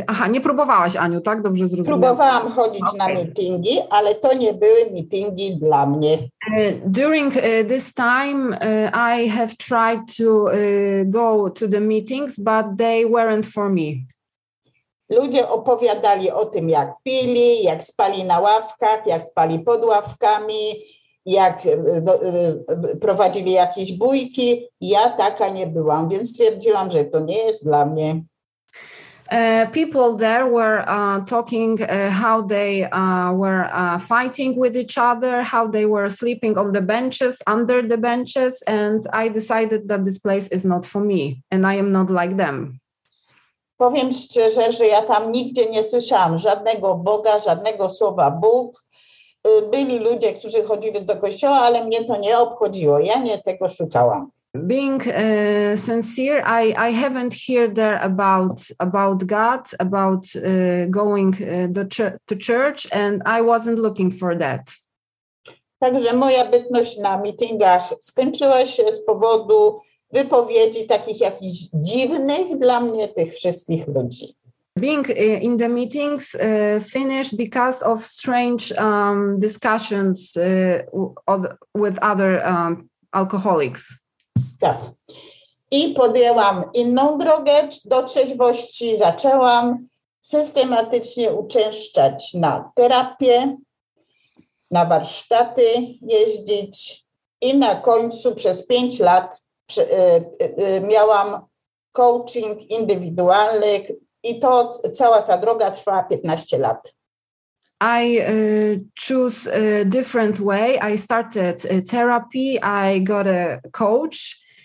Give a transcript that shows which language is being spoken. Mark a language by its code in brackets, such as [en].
[pl] Nie próbowałaś, Aniu, tak? Dobrze zrozumiałam. Próbowałam chodzić na meetingi, ale to nie były meetingi dla mnie. [en] During this time I have tried to go to the meetings, but they weren't for me. [pl] Ludzie opowiadali o tym, jak pili, jak spali na ławkach, jak spali pod ławkami, jak prowadzili jakieś bójki. Ja taka nie byłam, więc stwierdziłam, że to nie jest dla mnie. [en] People there were talking how they were fighting with each other, how they were sleeping on the benches, under the benches, and I decided that this place is not for me, and I am not like them. [pl] Powiem szczerze, że ja tam nigdzie nie słyszałam żadnego Boga, żadnego słowa Bóg. Byli ludzie, którzy chodzili do kościoła, ale mnie to nie obchodziło, ja nie tego szukałam. [en] Being sincere, I haven't heard there about God, about going to church, and I wasn't looking for that. [pl] Także moja bytność na meetingach skończyła się z powodu wypowiedzi takich jakichś dziwnych dla mnie tych wszystkich ludzi. [en] Being in the meetings finished because of strange discussions with other alcoholics. [pl] Tak. I podjęłam inną drogę do trzeźwości, zaczęłam systematycznie uczęszczać na terapię, na warsztaty jeździć i na końcu przez 5 lat miałam coaching indywidualny i to cała ta droga trwała 15 lat. [en] I choose a different way. I started therapy, I got a coach.